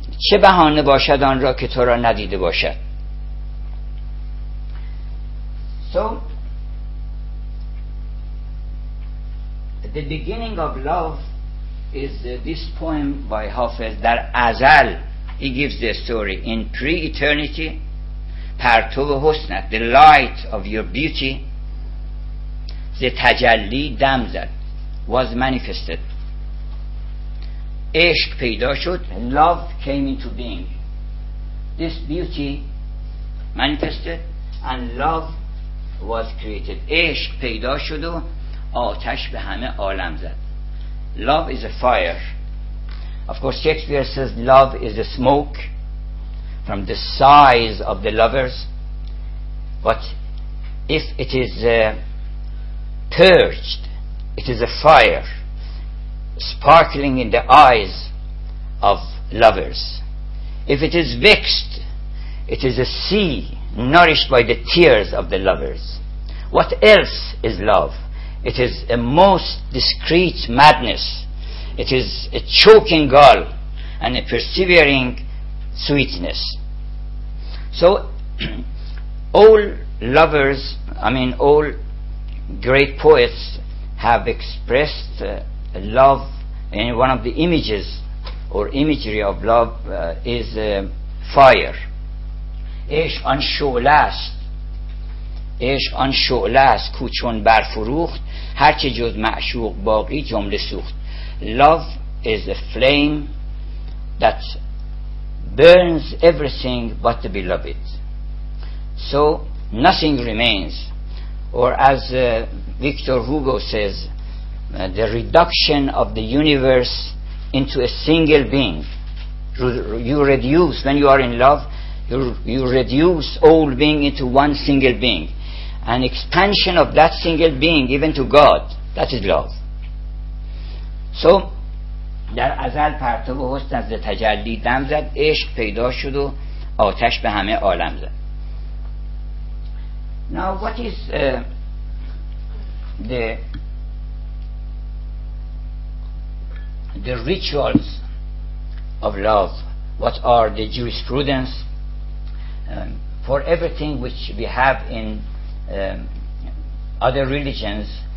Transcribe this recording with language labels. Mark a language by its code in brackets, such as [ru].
[fa] چه بهانه باشد آن را که تو را ندیده باشد. [en] So the beginning of love is this poem by Hafez. [fa] در ازل [en] he gives the story. In pre-eternity, [fa] پرتو حسنت, [en] the light of your beauty, the [fa] تجلی دم زد, [en] was manifested. [fa] عشق پیدا شد, [en] love came into being. This beauty manifested and love was created. [fa] عشق پیدا شد و آتش به همه عالم زد. [en] Love is a fire. Of course, Shakespeare says love is a smoke from the size of the lovers. But if it is purged, it is a fire sparkling in the eyes of lovers. If it is vexed, it is a sea nourished by the tears of the lovers. What else is love? It is a most discreet madness. It is a choking gall and a persevering sweetness. So all lovers, I mean all great poets, have expressed love. And one of the images or imagery of love is fire. [fa] عشق آن شعله است. عشق آن شعله است که چون برفروخت هر چه جز معشوق باقی جمله سوخت. [en] Love is a flame that burns everything but the beloved. So nothing remains. Or as Victor Hugo says, the reduction of the universe into a single being. You reduce, when you are in love, you reduce all being into one single being. An expansion of that single being, even to God, that is love. So [fa] در ازل پرتو حسن از تجلی دم زد, عشق پیدا شد و آتش به همه عالم زد. [en] Now what is the rituals of love? What are the jurisprudence for everything which we have in other religions?